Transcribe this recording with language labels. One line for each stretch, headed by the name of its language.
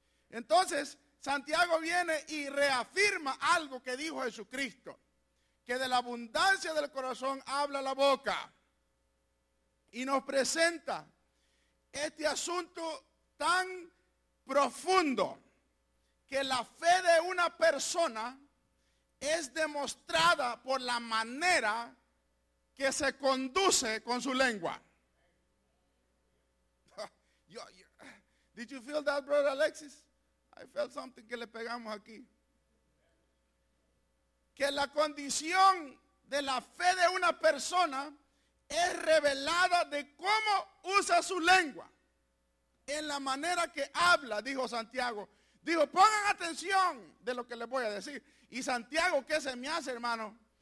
Spanish: Entonces, Santiago viene y reafirma algo que dijo Jesucristo, que de la abundancia del corazón habla la boca, y nos presenta este asunto tan profundo, que la fe de una persona es demostrada por la manera que se conduce con su lengua.
English: Did you feel that, brother Alexis? I felt something
Spanish: que le pegamos aquí. Que la condición de la fe de una persona es revelada de cómo usa su lengua, en la manera que habla, dijo Santiago. Dijo, pongan atención de lo que les voy a decir. Y Santiago, ¿qué se me hace, hermano?